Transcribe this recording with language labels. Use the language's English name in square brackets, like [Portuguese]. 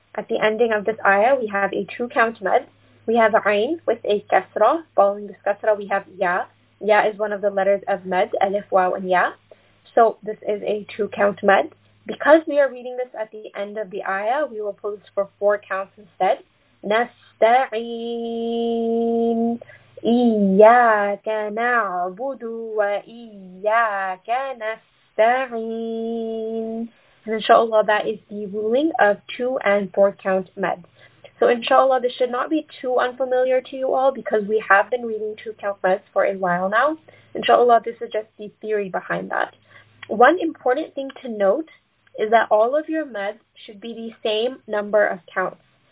[English] At the ending of this ayah, we have a two count med. We have ayn with a kasra. Following this kasra, we have ya. Ya is one of the letters of med, alif, waw, and ya. So this is a two count med. Because we are reading this at the end of the ayah, we will pull this for four counts instead. [Arabic] نستعين إياك نعبد وإياك نستعين. [English] And inshallah, that is the ruling of two and four count med. So inshallah, this should not be too unfamiliar to you all because we have been reading two count meds for a while now. Inshallah, this is just the theory behind that. One important thing to note is that all of your meds should be the same number of counts.